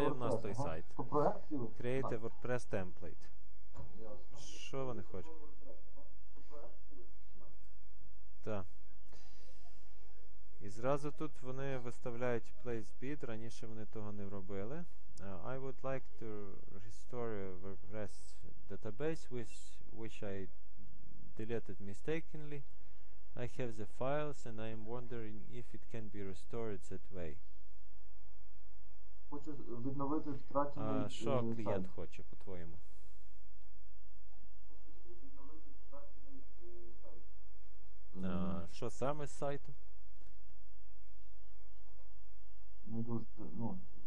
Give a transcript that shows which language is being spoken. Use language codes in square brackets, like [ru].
[uk] є в нас той сайт. [en] Create a WordPress template. [uk] Що вони хочуть? Так. І зразу тут вони виставляють place bid, раніше вони того не робили. [en] I would like to restore a WordPress database which I deleted mistakenly. I have the files and I am wondering if it can be restored that way. [uk] Хочу відновити втрачений сайт. Що клієнт хоче, по-твоєму? Що саме з сайтом? Не дуже, ну...